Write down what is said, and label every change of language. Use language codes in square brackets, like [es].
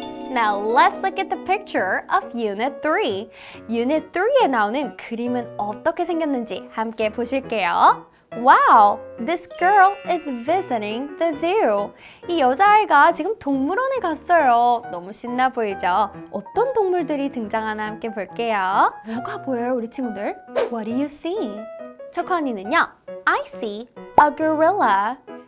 [en] Now, let's look at the picture of Unit 3. [ko] Unit 3에 나오는 그림은 어떻게 생겼는지 함께 보실게요. [en] Wow, this girl is visiting the zoo. [ko] 이 여자아이가 지금 동물원에 갔어요. 너무 신나 보이죠? 어떤 동물들이 등장하나 함께 볼게요. 뭐가 보여요, 우리 친구들? [en] What do you see? [ko] 초코 언니는요, [en] I see a gorilla.